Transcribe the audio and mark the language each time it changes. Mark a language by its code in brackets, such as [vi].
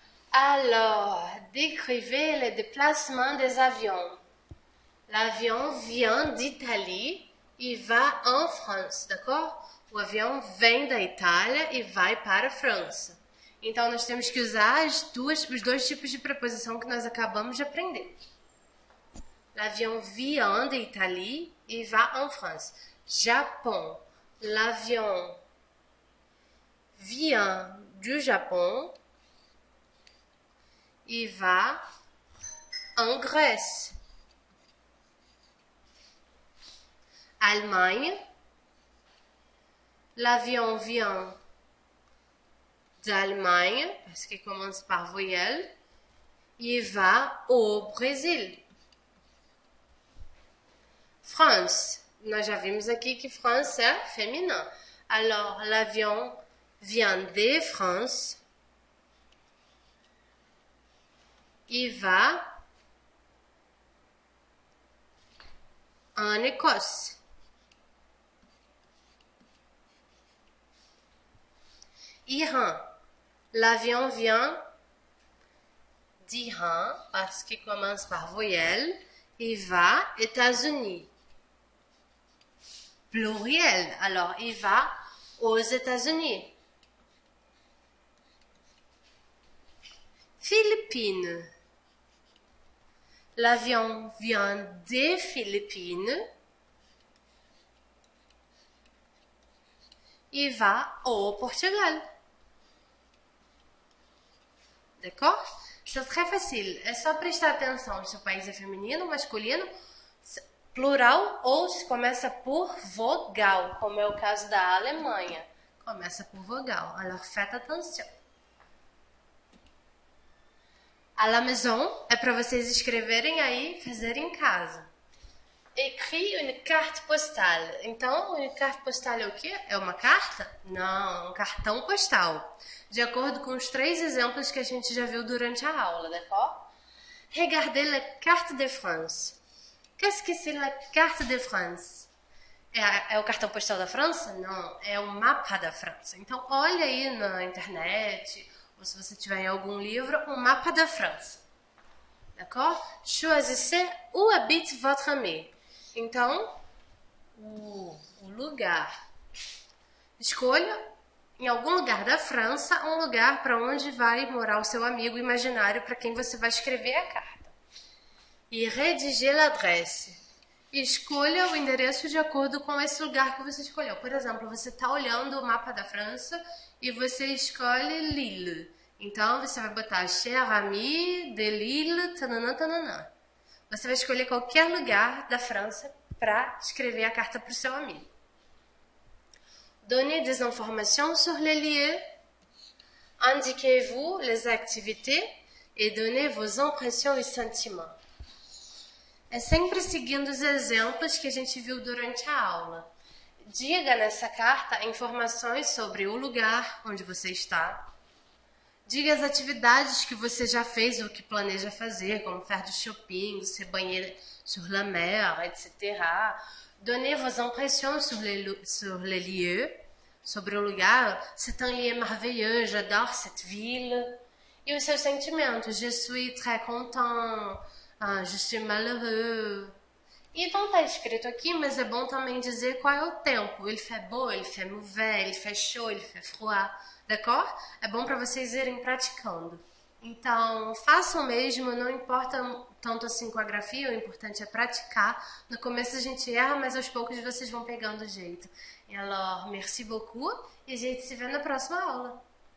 [fr] Alors, décrivez le déplacement des avions. L'avion vient d'Italie e va en France, d'accord? [pt] O avião vem da Itália e vai para a França. Então, nós temos que usar os dois tipos de preposição que nós acabamos de aprender. [fr] L'avion vient d'Italie et va en France. Japon. L'avion vient du Japon et va en Grèce. Allemagne. L'avion vient d'Allemagne, parce qu'il commence par voyelle, il va au Brésil. France. [pt] Nós já vimos aqui que France é féminin. [fr] Alors, l'avion vient de France. Il va en Écosse. Iran. L'avion vient d'Iran, parce qu'il commence par voyelle, et va États-Unis. Pluriel, alors il va aux États-Unis. Philippines. L'avion vient des Philippines, et va au Portugal. D'accord? C'est très facile. [pt] É só prestar atenção se o país é feminino, masculino, plural ou se começa por vogal, como é o caso da Alemanha. Começa por vogal. [fr] Alors, faites attention. À la maison [pt] é para vocês escreverem aí e fazerem em casa. [fr] Écris une carte postale. [pt] Então, [fr] une carte postale [pt] é o quê? É uma carta? Não, um cartão postal. De acordo com os três exemplos que a gente já viu durante a aula, [fr] d'accord? Regardez la carte de France. Qu'est-ce que c'est la carte de France? [pt] É o cartão postal da França? Não, é o mapa da França. Então, olha aí na internet, ou se você tiver em algum livro, o mapa da França. [fr] D'accord? Choisissez où habite votre ami. [pt] Então, o lugar. Escolha em algum lugar da França um lugar para onde vai morar o seu amigo imaginário para quem você vai escrever a carta. [fr] E rédigez l'adresse. [pt] Escolha o endereço de acordo com esse lugar que você escolheu. Por exemplo, você está olhando o mapa da França e você escolhe Lille. Então, você vai botar [fr] Cher ami de Lille, [pt] tananã, tananã. Você vai escolher qualquer lugar da França para escrever a carta para o seu amigo. [fr] Donnez des informations sur les lieux. Indiquez-vous les activités et donnez vos impressions et sentiments. [pt] É sempre seguindo os exemplos que a gente viu durante a aula. Diga nessa carta informações sobre o lugar onde você está. Diga as atividades que você já fez ou que planeja fazer, como [fr] faire du shopping, [pt] se banhar [fr] sur la mer, [pt] etc. [fr] Donnez vos impressions sur les lieux, [pt] sobre o lugar. [fr] C'est un lieu merveilleux, j'adore cette ville. [pt] E os seus sentimentos. [fr] Je suis très content. Ah, je suis malheureux. [pt] Então tá escrito aqui, mas é bom também dizer qual é o tempo. [fr] Il fait beau, il fait mauvais, il fait chaud, il fait froid. D'accord? [pt] É bom para vocês irem praticando. Então, façam mesmo, não importa tanto assim com a grafia, o importante é praticar. No começo a gente erra, mas aos poucos vocês vão pegando o jeito. [fr] Alors, merci beaucoup [pt] e a gente se vê na próxima aula.